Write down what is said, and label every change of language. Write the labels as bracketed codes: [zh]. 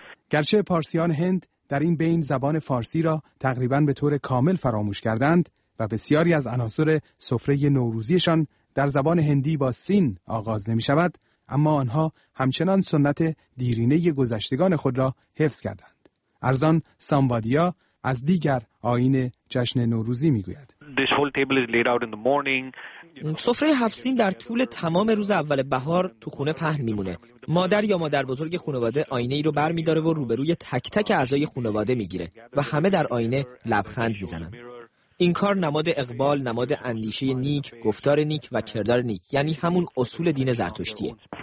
[fa] گرچه پارسیان هند در این بین زبان فارسی را تقریبا به طور کامل فراموش کردند و بسیاری از عناصر سفره نوروزیشان در زبان هندی با سین آغاز نمی شود، اما آنها همچنان سنت دیرینه گذشتگان خود را حفظ کردند. ارزان ساموادیا از دیگر آیین جشن نوروزی می گوید: [en] This whole table is laid out in the morning. [fa] سفره هفت سین در طول تمام روز اول بهار تو خونه پهن میمونه. مادر یا مادر بزرگ خانواده آینه ای رو بر میداره و روبروی تک تک اعضای خانواده میگیره و همه در آینه لبخند میزنن. این کار نماد اقبال، نماد اندیشه نیک، گفتار نیک و کردار نیک، یعنی همون اصول دین زرتشتیه.